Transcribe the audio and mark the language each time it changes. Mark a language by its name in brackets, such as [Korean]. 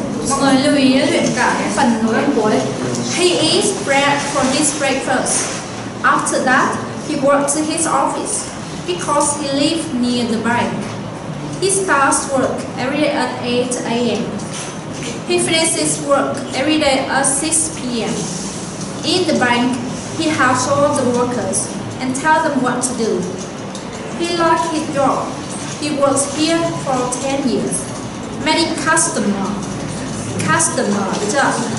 [Vietnamese] Mọi người lưu ý luyện cả cái phần nối âm cuối. [English] He eats bread for his breakfast. After that, he walks to his office because he lives near the bank. He starts work every day at 8 a.m. He finishes work every day at 6 p.m. In the bank, he helps all the workers and tells them what to do. He likes his job. He works here for 10 years. Many customer, [Vietnamese] được chưa?